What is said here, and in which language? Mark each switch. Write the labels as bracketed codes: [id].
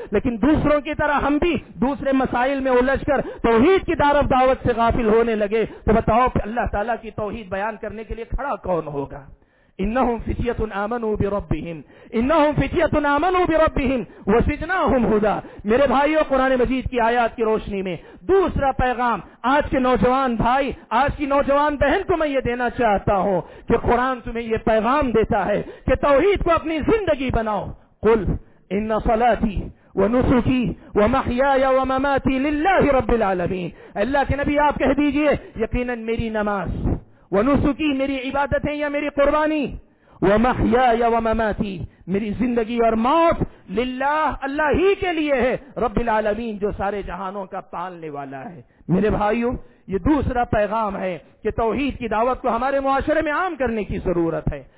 [ur] لیکن دوسروں کی طرح ہم بھی دوسرے مسائل میں الجھ توحید کی دار دعوت سے غافل ہونے لگے, تو بتاؤ اللہ تعالیٰ کی توحید بیان کرنے کے لیے کھڑا کون ہوگا؟ [ar] انہم فتیتن آمنوا بربہم, انہم فتیتن آمنوا بربہم وزدناہم ہدا. [ur] میرے بھائیو قرآن مجید کی آیات کی روشنی میں دوسرا پیغام آج کے نوجوان بھائی آج کی نوجوان بہن کو میں یہ دینا چاہتا ہوں کہ قرآن تمہیں یہ پیغام دیتا ہے کہ توحید کو اپنی زندگی بناؤ. [ar] قل ان صلاتی ونسكي ومحياي ومماتي لله رب العالمين. [ur] اللہ کے نبی آپ کہہ دیجئے یقینا میری نماز [ar] ونسكي [ur] میری عبادت ہے یا میری قربانی, [ar] ومحياي ومماتي [ur] میری زندگی اور موت, للہ اللہ ہی کے لیے ہے, رب العالمین جو سارے جہانوں کا پالنے والا ہے. میرے بھائیوں یہ دوسرا پیغام ہے کہ توحید کی دعوت کو ہمارے معاشرے میں عام کرنے کی ضرورت ہے.